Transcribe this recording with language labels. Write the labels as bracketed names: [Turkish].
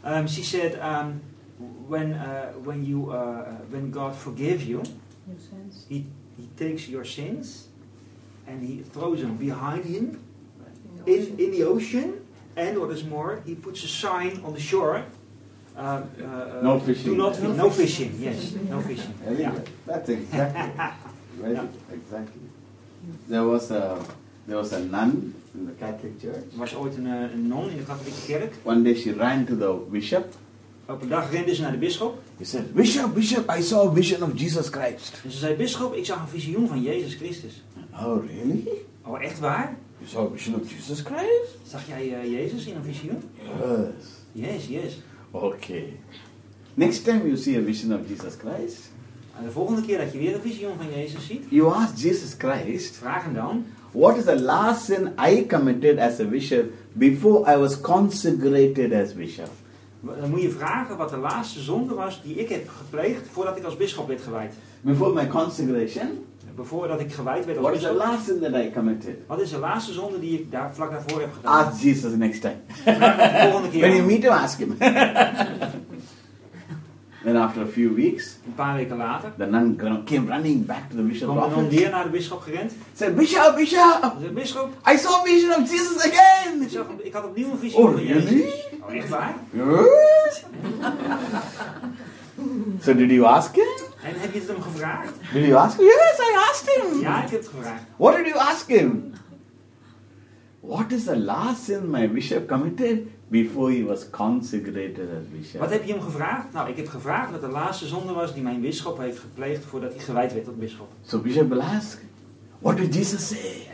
[English] She said, when God forgives you, he takes your sins and he throws them behind him in the ocean. And what is more, he puts a sign on the shore. No fishing. Do not fish. No fishing. Yes. No fishing. Yeah. That's exactly. Right. Yeah. Exactly. There was a nun in the Catholic Church. [Dutch] Was ooit een non in de Katholieke Kerk. [English] One day she ran to the bishop. [Dutch] Op een dag rende ze naar de bisschop. [English] He said, Bishop, I saw a vision of Jesus Christ. [Dutch] En ze zei, bisschop, ik zag een visioen van Jezus Christus. [English] Oh, really? [Dutch] Oh, echt waar? [English] You saw a vision of Jesus Christ? [Dutch] Zag jij Jezus in een visioen? [English] Yes. Okay. Next time you see a vision of Jesus Christ. [Dutch] En de volgende keer dat je weer een visioen van Jezus ziet. [English] You ask Jesus Christ. [Dutch] Vraag hem dan. [English] What is the last sin I committed as a bishop before I was consecrated as bishop? [Dutch] Dan moet je vragen wat de laatste zonde was die ik heb gepleegd voordat ik als bisschop werd gewijd. [English] Before my consecration. [Dutch] voordat ik gewijd werd. [English] What is the last sin that I committed? [Dutch] Wat is de laatste zonde die ik daar vlak daarvoor heb gedaan? [English] Ask Jesus the next time. [Dutch] De volgende keer. [English] When you meet him, ask him. Then after a few weeks, [Dutch] een paar weken later, [English] the nun came running back to the bishop's office. [Dutch] Kwam de nun weer naar de bisschop gerend. [English] Said, Bishop, Bishop. [Dutch] Zei, bisschop. [English] I saw a vision of Jesus again. [Dutch] Ik had opnieuw een visioen van Jezus. [English] Really? [Dutch] Oh, echt waar? [English] Good. So did you ask him? [Dutch] En heb je het hem gevraagd? [English] Did you ask him? Yes, I asked him. [Dutch] Ja, ik heb het gevraagd. [English] What did you ask him? What is the last sin my bishop committed before he was consecrated as bishop? [Dutch] Wat heb je hem gevraagd? Nou, ik heb gevraagd wat de laatste zonde was die mijn bisschop heeft gepleegd voordat hij gewijd werd tot bisschop. [English] So bishop will ask, what did Jesus say?